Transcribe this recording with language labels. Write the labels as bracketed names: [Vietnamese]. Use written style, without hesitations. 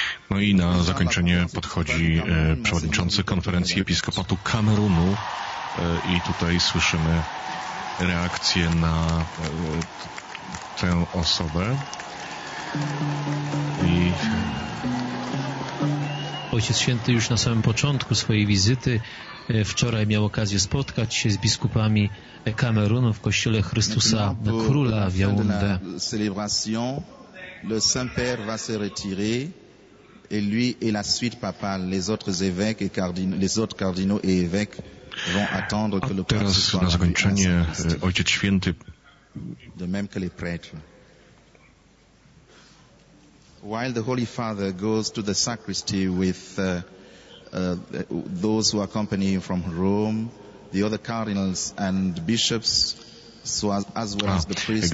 [Polish] No i na zakończenie podchodzi przewodniczący konferencji Episkopatu Kamerunu i tutaj słyszymy reakcję na tę osobę. I Ojciec Święty już na samym początku swojej wizyty wczoraj miał okazję spotkać się z biskupami Kamerunu w kościele Chrystusa Króla w Yaoundé. [English] Celebration [French] le Saint-Père va se retirer et lui et la suite papale les autres évêques et cardinaux les autres cardinaux et évêques vont attendre que le pape soit. [Polish] Teraz na zakończenie Ojciec Święty [French] de même que les prêtres. [English] While the Holy Father goes to the sacristy with those who accompany him from Rome, the other cardinals and bishops, so as well as the priests,